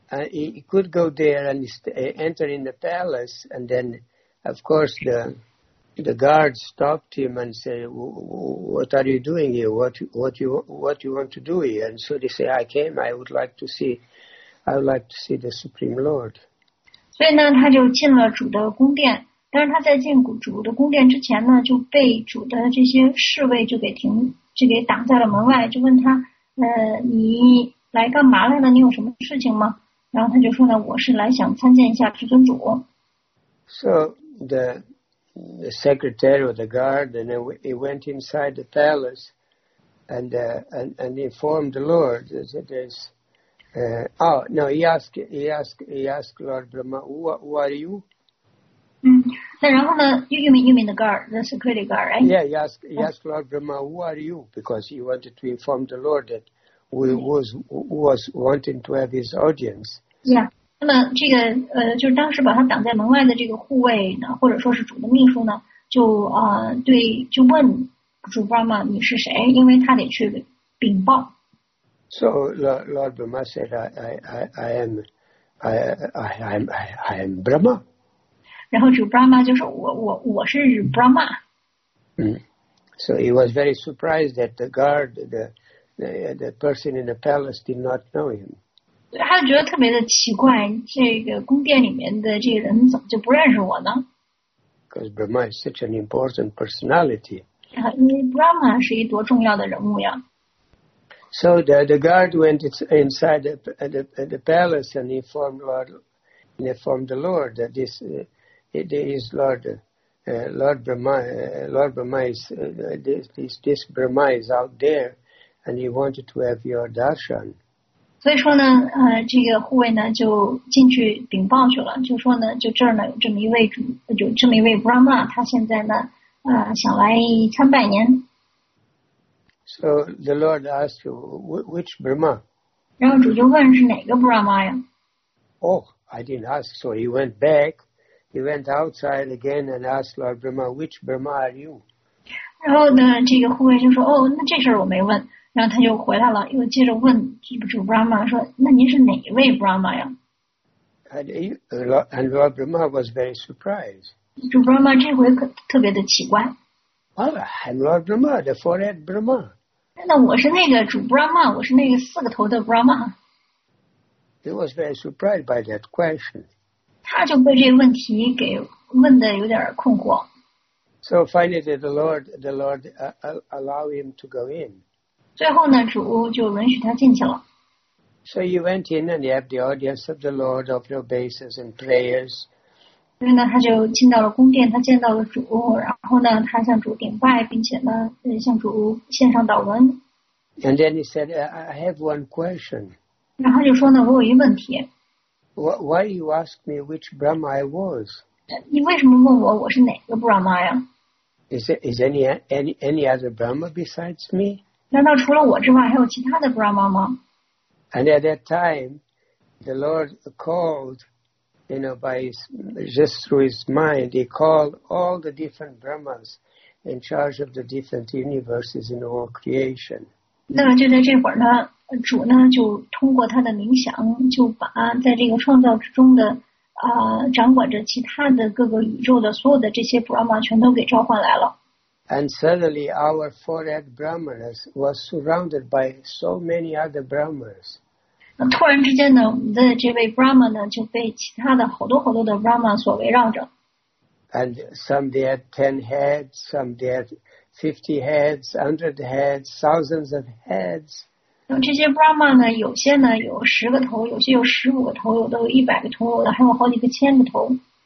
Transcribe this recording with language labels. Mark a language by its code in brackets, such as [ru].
[en] He could go there and enter in the palace, and then, of course, the guards stopped him and said, "What are you doing here? What you want to do here?" And so they say, "I came. I would like to see the Supreme Lord." [zh] 所以呢，他就进了主的宫殿。但是他在进主的宫殿之前呢，就被主的这些侍卫就给挡在了门外，就问他，你来干嘛来了？你有什么事情吗？然后他就说呢，我是来想参见一下至尊主。 [en] So the secretary or the guard, and then he went inside the palace, and informed the Lord as it is. He asked Lord Brahma, who are you? [zh] 那然后呢 [en] ？You mean the guard, the security guard, right? Yeah, he asked Lord Brahma, who are you? Because he wanted to inform the Lord that who was wanting to have his audience. [zh] Yeah, 那么这个就是当时把他挡在门外的这个护卫呢，或者说是主的秘书呢，就对，就问主 Brahma 你是谁，因为他得去禀报。 [en] So Lord Brahma said, I am Brahma. [zh] 然后主 Brahma 就说我是 Brahma。 [en] So he was very surprised that the guard, the person in the palace did not know him. [zh] 他觉得特别的奇怪，这个宫殿里面的这个人怎么就不认识我呢 [en] ？Because Brahma is such an important personality. [zh] 因为 Brahma 是一多重要的人物呀。 [en] So the guard went inside the palace and informed the Lord that this it is Lord Brahma is this Brahma is out there and he wanted to have your darshan. [zh] 所以说呢，这个护卫呢就进去禀报去了，就说呢，就这儿呢有这么一位主，有这么一位 Brahma， 他现在呢，想来参拜您。 [en] So the Lord asked you, which Brahma? [zh] 然后主就问是哪个 Brahma 呀 [en] ？Oh, I didn't ask. So he went back, he went outside again and asked Lord Brahma, which Brahma are you? [zh] 然后呢，这个护卫就说，哦，那这事儿我没问。然后他就回来了，又接着问主 Brahma 说：“那您是哪一位 Brahma 呀 [en] ？”And Lord Brahma was very surprised. [zh] 主 Brahma 这回可特别的奇怪。 [en] Well, I'm Lord Brahma, the four-head Brahma. [zh] 那我是那个主 Brahma， 我是那个四个头的 Brahma。 [en] He was very surprised by that question. [zh] 他就被这个问题给问的有点困惑。 [en] So finally, the Lord allow him to go in. [zh] 最后呢，主就允许他进去了。 [en] So you went in and you have the audience of the Lord, of your bases and prayers. [zh] 所以呢，他就进到了宫殿，他见到了主，然后呢，他向主顶拜，并且呢，向主献上祷文。 [en] And then he said, I have one question. [zh] 然后就说呢，我有一问题。 [en] Why you ask me which Brahma I was? [zh] 你为什么问我我是哪个 Brahma 呀？ [en] Is any other Brahma besides me? [zh] 难道除了我之外还有其他的 Brahma 吗？ [en] And at that time, the Lord called, you know, by his, just through his mind, he called all the different Brahmas in charge of the different universes in all creation. [zh] 那么就在这会儿呢，主呢就通过他的冥想，就把在这个创造之中的掌管着其他的各个宇宙的所有的这些 Brahma 全都给召唤来了。 [en] And suddenly our forehead Brahmanas was surrounded by so many other Brahmas. [zh] 突然之间呢，我们的这位 Brahma 呢就被其他的好多好多的 Brahma 所围绕着。 [en] And some they had 10 heads, some they had 50 heads, 100 heads, thousands of heads. [zh] 这些 Brahma 呢，有些呢有十个头，有些有十五个头，有的有一百个头，有的还有好几个千个头。